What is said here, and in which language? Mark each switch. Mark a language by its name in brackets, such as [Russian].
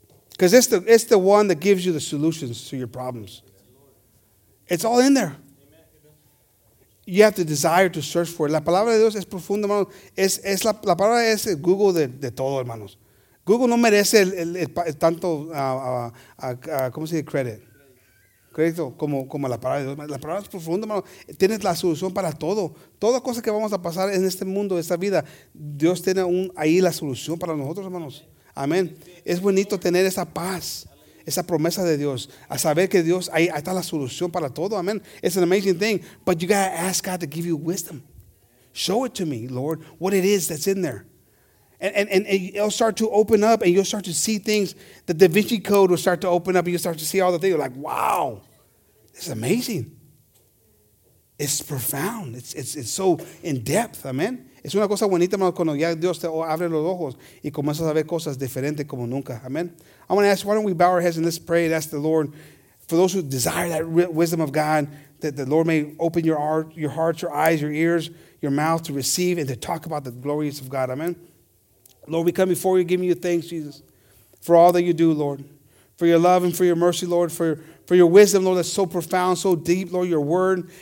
[English] Because it's the one that gives you the solutions to your problems. It's all in there. You have to desire to search for it. [Spanish] La palabra de Dios es profunda, hermanos. La palabra es el Google de todo, hermanos. Google no merece el tanto, ¿cómo se dice? Credit. Crédito, como la palabra de Dios. La palabra es profunda, hermano. Tienes la solución para todo. Toda cosa que vamos a pasar en este mundo, esta vida, Dios tiene ahí la solución para nosotros, hermanos. Amén. Es bonito tener esa paz, esa promesa de Dios, a saber que Dios, ahí está la solución para todo. [English] Amén. It's an amazing thing. But you got to ask God to give you wisdom. Show it to me, Lord, what it is that's in there. And it'll start to open up, and you'll start to see things. The Da Vinci Code will start to open up, and you'll start to see all the things. You're like, wow, it's amazing. It's profound. It's so in depth. Amen. [Spanish] Es una cosa bonita, hermano, cuando ya Dios te abre los ojos y comienzas a ver cosas diferentes como nunca. [English] Amen. I want to ask, why don't we bow our heads and let's pray and ask the Lord for those who desire that wisdom of God, that the Lord may open your heart, your eyes, your ears, your mouth to receive and to talk about the glories of God. Amen. Lord, we come before you, giving you thanks, Jesus, for all that you do, Lord, for your love and for your mercy, Lord, for your wisdom, Lord, that's so profound, so deep, Lord, your word.